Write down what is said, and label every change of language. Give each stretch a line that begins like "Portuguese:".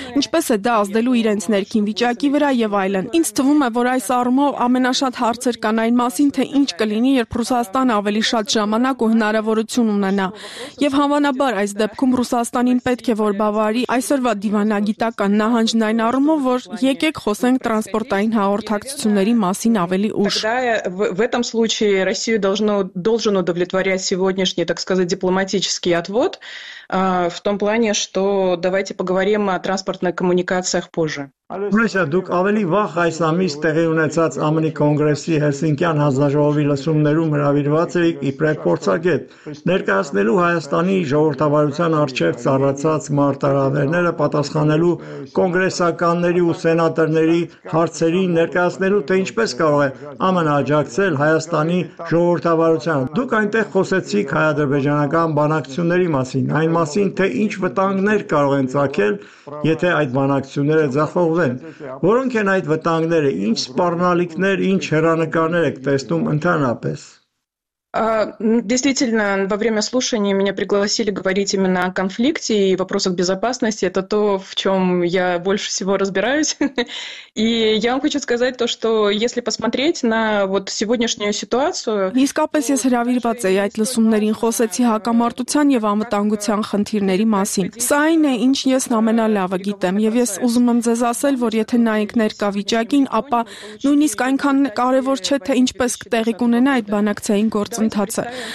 Armenian: ինչպես է դա ազդելու իրենց ներքին վիճակի վրա եւ այլն։ Ինձ թվում է, որ այս առումով ամենաշատ հարցեր կան այն մասին, թե ինչ կլինի, երբ Ռուսաստանը ավելի շատ ժամանակ ու հնարավորություն ունենա, եւ հավանաբար այս դեպքում Ռուսաստանին պետք է որ բավարի այսօրվա դիվանագիտական նահանջն այն առումով, որ եկեք խոսենք տրանսպորտային հաղորդակցությունների մասին ավելի ուշ։
Russian: В этом случае Россию должен удовлетворять сегодняшний, так сказать, дипломатический отвод, в том плане, что давайте поговорим о транспортных коммуникациях позже.
Armenian: Ուրեմն դուք ավելի վաղ այս ամիս տեղի ունեցած ԱՄՆ կոնգրեսի Հելսինկյան հանձնաժողովի լսումներում հրավիրված էիք իբրև փորձագետ, ներկայացնելու Հայաստանի ժողովրդավարության առջև ծառացած մարտահրավերները, պատասխանելու կոնգրեսականների ու սենատորների հարցերին, ներկայացնելու, թե ինչպես կարող է ԱՄՆ աջակցել Հայաստանի ժողովրդավարությանը։ Դուք այնտեղ խոսեցիք հայ-ադրբեջանական բանակցությունների մասին, այն մասին, թե ինչ վտանգներ կարող են ծագել, եթե այդ բանակցությունները ձախողվեն։ Որոնք են այդ վտանգները, ինչ սպառնալիքներ, ինչ հեռանկարներ եք տեսնում ընդհանրապես?
Russian: Действительно, во время слушания меня пригласили говорить именно о конфликте и вопросах безопасности. Это то, в чем я больше всего разбираюсь. И я вам хочу сказать то, что если посмотреть на вот сегодняшнюю ситуацию...
Armenian: Искапес ես հրավիրված էի այդ լսումներին, խոսեցի հակամարտության և անվտանգության խնդիրների մասին։ Սա այն է, ինչ ես ամենալավը գիտեմ, և ես ուզում եմ ձեզ ասել, որ եթե նայեք ներկա վիճակին, ապա նույնիսկ այնքան կարևոր չէ, թե ինչպես կտեղի կունենա այդ բանակցային ընթացը։